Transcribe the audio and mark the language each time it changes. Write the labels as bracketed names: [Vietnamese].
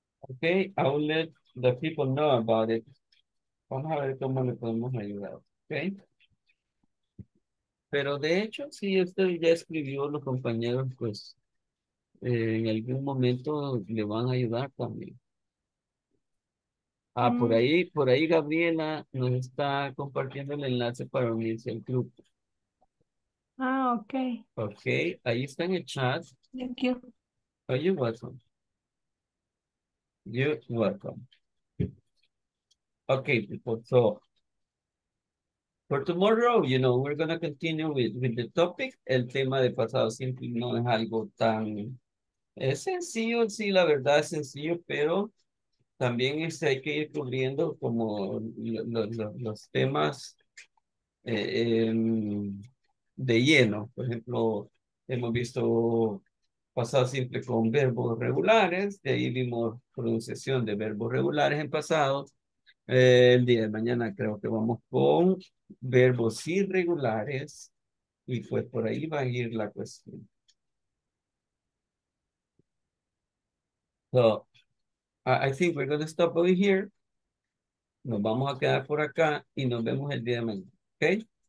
[English] Okay, I will let the people know about it. [Spanish] Vamos a ver cómo le podemos ayudar, okay? Pero de hecho, si usted ya escribió los compañeros, pues en algún momento le van a ayudar también. Ah, por ahí Gabriela nos está compartiendo el enlace para unirse al grupo. [English] Ah, okay. [Spanish] Okay, ahí está en el chat. [English] Thank you. Are you welcome? You're welcome. Okay, people, so for tomorrow, you know, we're going to continue with the topic. [Spanish] El tema de pasado simple no es algo tan es sencillo, sí, la verdad es sencillo, pero también es, hay que ir cubriendo como los temas de lleno. Por ejemplo, hemos visto pasado simple con verbos regulares, de ahí vimos pronunciación de verbos regulares en pasado. El día de mañana creo que vamos con verbos irregulares y pues por ahí va a ir la cuestión. [English] So, I think we're going to stop over here. [Spanish] Nos vamos a quedar por acá y nos vemos el día de mañana, okay?